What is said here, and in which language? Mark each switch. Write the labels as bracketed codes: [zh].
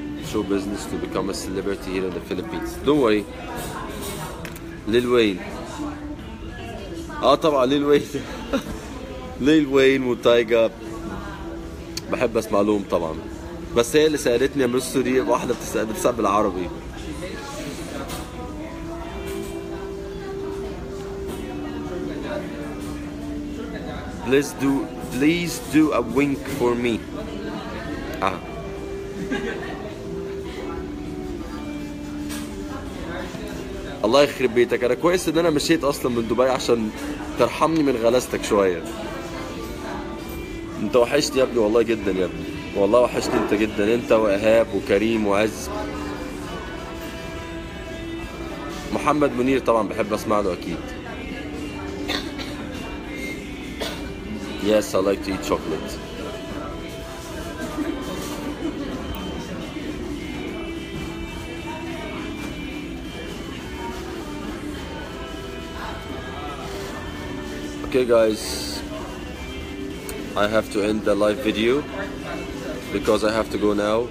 [en] Show business to become a celebrity here in the Philippines. Don't worry. Lil Wayne. طبعا Lil Wayne. Lil Wayne و Tyga. [ar] بحب اسمع لهم طبعا، بس هي اللي سألتني يا مستو دي واحدة بتسأل بسبب العربي. [en] Please do a wink for me. [ar] الله يخرب بيتك، انا كويس ان انا مشيت اصلا من دبي عشان ترحمني من غلاستك شوية. انت وحشتني يا ابني والله جدا يا ابني، والله وحشتني انت جدا، انت وإهاب وكريم وعز. محمد منير طبعا بحب اسمع له اكيد. [en] Yes I like to eat chocolate. Okay guys, I have to end the live video because I have to go now.